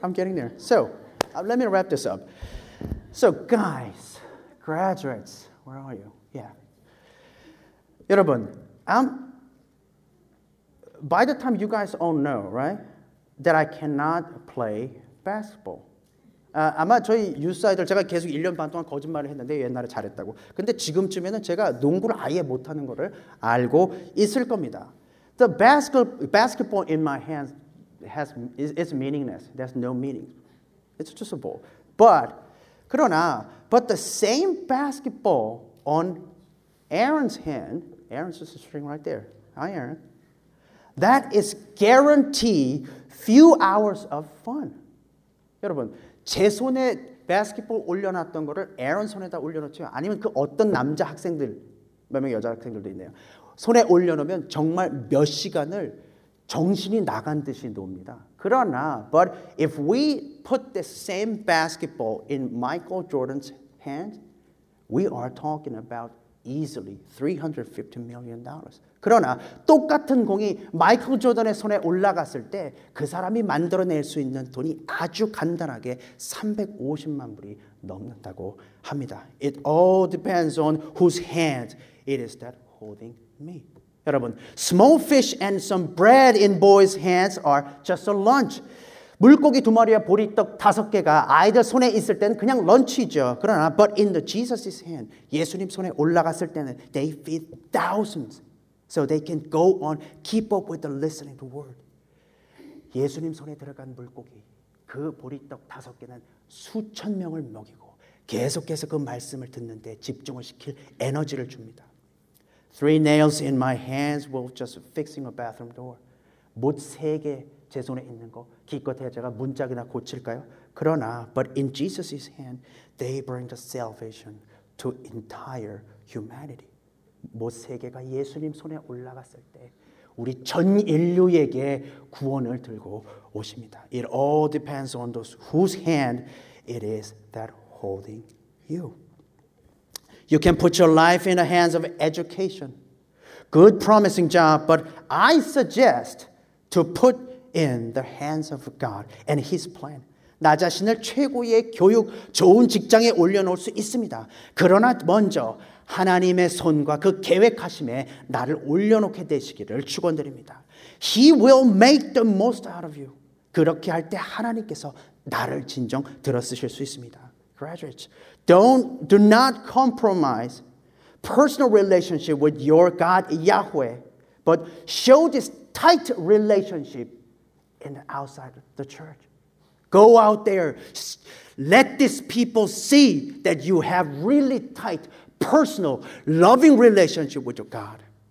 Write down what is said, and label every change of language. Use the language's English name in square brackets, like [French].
[English] I'm getting there. So let me wrap this up. So guys, graduates, where are you? Yeah. [Korean] 여러분. [English] By the time you guys all know, right, that I cannot play basketball. [Korean] 아마 저희 유사이들 제가 계속 1년 반 동안 거짓말을 했는데 옛날에 잘했다고. 근데 지금쯤에는 제가 농구를 아예 못하는 거를 알고 있을 겁니다. [English] The basketball in my hands is meaningless. There's no meaning. It's just a ball. But the same basketball on Aaron's hand Aaron's just a string right there. Hi, Aaron. That is guaranteed few hours of fun. [Korean] 여러분, 제 손에 basketball 올려놨던 거를 Aaron 손에다 올려놓죠. 아니면 그 어떤 남자 학생들, 몇 명 여자 학생들도 있네요. 손에 올려놓으면 정말 몇 시간을 정신이 나간 듯이 놉니다. 그러나, [English] but if we put the same basketball in Michael Jordan's hand, we are talking about easily $350 million. [Korean] 그러나 똑같은 공이 마이클 조던의 손에 올라갔을 때 그 사람이 만들어낼 수 있는 돈이 아주 간단하게 350만 불이 넘는다고 합니다. [English] It all depends on whose hand it is that holding me. [Korean] 여러분, [English] small fish and some bread in boy's hands are just a lunch. [Korean] 물고기 두 마리와 보리떡 다섯 개가 아이들 손에 있을 때는 그냥 런치죠. [English] 그러나 but in the Jesus's hand, [Korean] 예수님 손에 올라갔을 때는 [English] they feed thousands. So they can go on, keep up with the listening to word. [Korean] 예수님 손에 들어간 물고기, 그 보리떡 다섯 개는 수천 명을 먹이고 계속해서 그 말씀을 듣는 데 집중을 시킬 에너지를 줍니다. [English] Three nails in my hands were just fixing a bathroom door. [Korean] 못 세 개 제 손에 있는 거 기껏해야 제가 문짝이나 고칠까요? 그러나 [English] but in Jesus' hand, they bring the salvation to entire humanity. [Korean] 모 세계가 예수님 손에 올라갔을 때 우리 전 인류에게 구원을 들고 오십니다. [English] It all depends on those whose hand it is that holding you. You can put your life in the hands of education. Good promising job, but I suggest to put in the hands of God and His plan. [Korean] 나 자신을 최고의 교육, 좋은 직장에 올려놓을 수 있습니다. 그러나 먼저 하나님의 손과 그 계획하심에 나를 올려놓게 되시기를 축원드립니다. [English] He will make the most out of you. [Korean] 그렇게 할 때 하나님께서 나를 진정 들어쓰실 수 있습니다. [English] Graduates, do not compromise personal relationship with your God Yahweh, but show this tight relationship in the outside of the church. Go out there. Let these people see that you have really tight, personal, loving relationship with your God.